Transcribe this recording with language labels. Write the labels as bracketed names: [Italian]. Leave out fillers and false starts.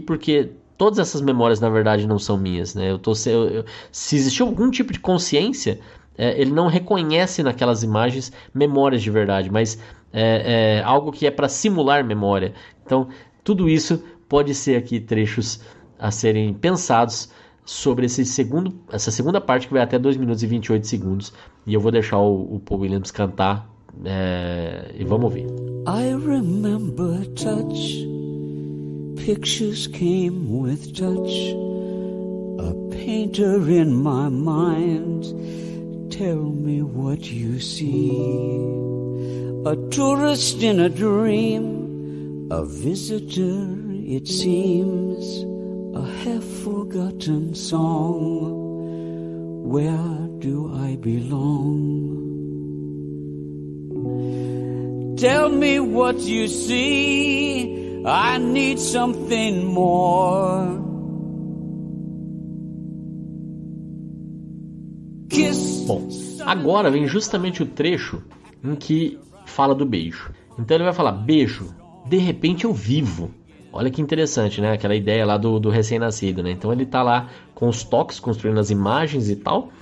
[Portuguese] Porque todas essas memórias, na verdade, não são minhas, né? Se existiu algum tipo de consciência, ele não reconhece naquelas imagens memórias de verdade, mas é algo que é para simular memória. Então, tudo isso pode ser aqui trechos a serem pensados sobre essa segunda parte, que vai até 2 minutos e 28 segundos. E eu vou deixar o Paul Williams cantar, e vamos ouvir. [English] I remember touch pictures came with touch. A painter in my mind, tell me what you see. A tourist in a dream, a visitor, it seems. A half-forgotten song, where do I belong? Tell me what you see, I need something more. Kiss. [Portuguese] Bom, agora vem justamente o trecho em que fala do beijo. Então ele vai falar, beijo, de repente eu vivo. Olha que interessante, né? Aquela ideia lá do recém-nascido, né? Então ele tá lá com os toques, construindo as imagens e tal.